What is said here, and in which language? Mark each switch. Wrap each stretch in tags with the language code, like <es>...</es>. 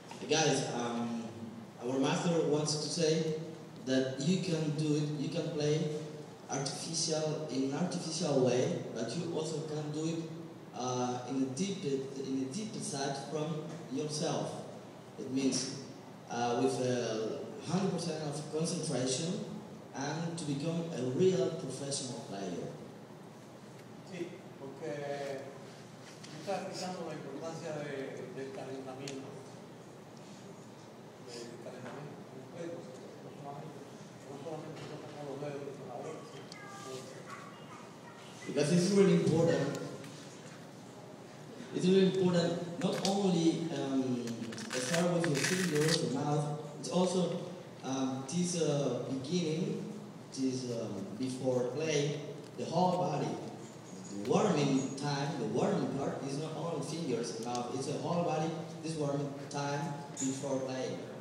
<en>Guys, our master wants to say that you can do it, you can play artificial in an artificial way, but you also can do it in a deep inside from yourself. It means with 100% of concentration and to become a real professional player.</en> <es>Sí, porque está explicando la importancia del calentamiento. Del calentamiento de los dedos, no solamente yo tengo los dedos, sino la voz.</es> <en>Because it's really important. It's really important not only to start with your fingers, your mouth, it's also this beginning, this before play, the whole body. The warming time, the warming part is not only fingers and mouth, it's the whole body, this warming time before play.</en>